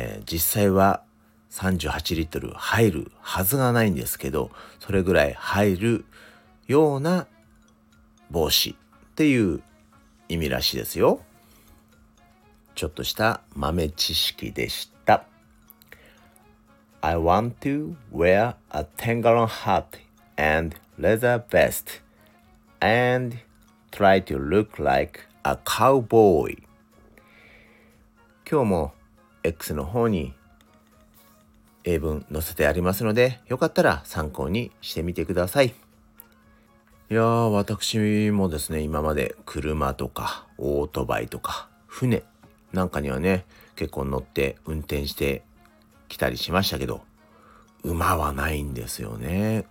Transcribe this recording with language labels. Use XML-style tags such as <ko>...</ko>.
<ja>実際は38リットル入るはずがないんですけど、それぐらい入るような帽子っていう意味らしいですよ。ちょっとした豆知識でした。</ja> <en>I want to wear a 10 gallon hat and leather vest and try to look like a cowboy.</en> <ja>今日も X の方に英文載せてありますので、よかったら参考にしてみてください。いやー、私もですね、今まで車とかオートバイとか船なんかにはね結構乗って運転してきたりしましたけど、馬はないんですよね。</ja>